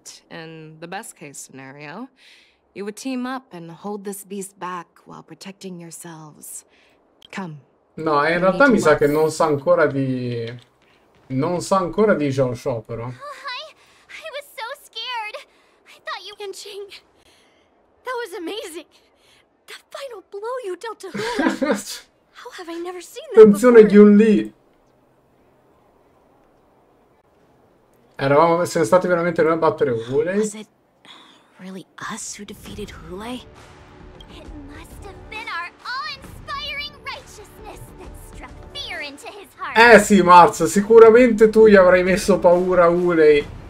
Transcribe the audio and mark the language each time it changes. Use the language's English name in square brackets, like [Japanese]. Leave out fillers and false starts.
[English] In the best case scenario, you would team up and hold this beast back while protecting yourselves. [Italian] Come. No, in realtà mi sa che non sa ancora di. Non sa ancora di Zhao Shou, però. [English] I was so scared. I thought you Yanxing. That was amazing. The final blow you dealt to Hulei. How have I never seen that [Italian] Attenzione, [English] before? [Italian] Attenzione, Yun Li. Eravamo, siamo stati veramente noi a battere Hulei? [English] Was it really us who defeated Hulei? It must have been our awe-inspiring righteousness that struck fear into his heart. [Italian] Sì, Marz, sicuramente tu gli avrai messo paura a Hulei.